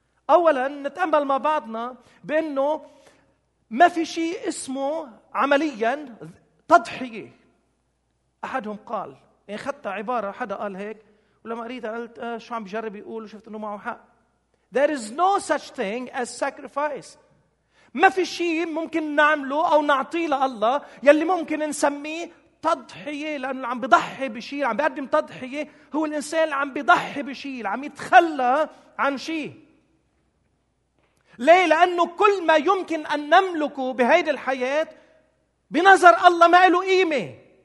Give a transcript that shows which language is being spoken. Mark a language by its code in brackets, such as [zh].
[ar] أولاً نتأمل مع بعضنا بأنه ما في شيء اسمه عملياً تضحية. أحدهم قال، يعني خدتها عبارة حدا قال هيك ولما قريتها قلت شو عم بجرب يقول، وشفت أنه معه حق. [en] There is no such thing as sacrifice. [ar] ما في شيء ممكن نعمله أو نعطيه لله يلي ممكن نسميه تضحية، لأنه عم بضحي بشيء، عم بقدم تضحية. هو الإنسان عم بضحي بشيء، عم يتخلى عن شيء. ليه؟ لأنه كل ما يمكن أن نملكه بهيدي الحياة بنظر الله ما له قيمة.